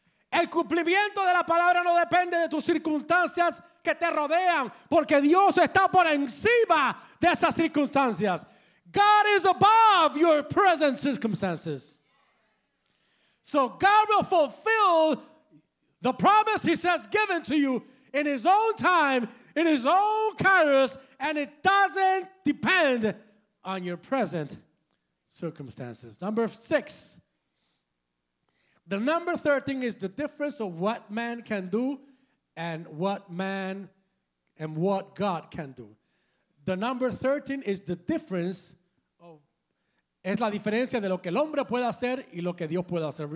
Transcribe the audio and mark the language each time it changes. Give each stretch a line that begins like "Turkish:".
Spanish: El cumplimiento de la palabra no depende de tus circunstancias que te rodean, porque Dios está por encima de esas circunstancias.
English: God is above your present circumstances. So God will fulfill the promise he has given to you in his own time, in his own kairos, and it doesn't depend on your present circumstances. Number 6. The number 13 is the difference of what man can do and what man and what God can do. The number 13 is the difference of
Spanish: es la diferencia de lo que el hombre puede hacer y lo que Dios puede hacer.